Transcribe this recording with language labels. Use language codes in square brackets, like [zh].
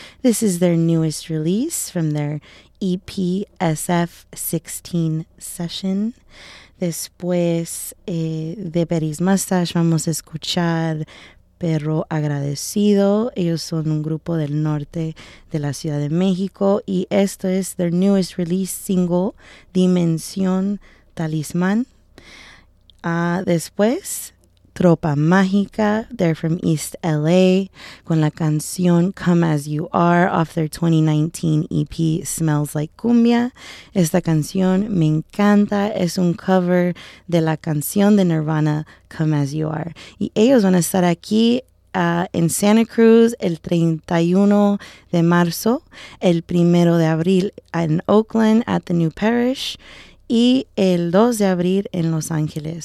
[en] This is their newest release from their EP SF16 session. [es] Después de Betty's Mustache, vamos a escuchar Perro Agradecido. Ellos son un grupo del norte de la Ciudad de México. Y esto es [en] their newest release single, [es] Dimensión Talismán. Después, Tropa Mágica. [en] They're from East LA, [es] con la canción [en] Come As You Are off their 2019 EP Smells Like Cumbia. [es] Esta canción me encanta. Es un cover de la canción de Nirvana, Come As You Are. Y ellos van a estar aquí en Santa Cruz el 31 de marzo, el 1 de abril en Oakland [en] at the New Parish, [es] y el 2 de abril en Los Ángeles.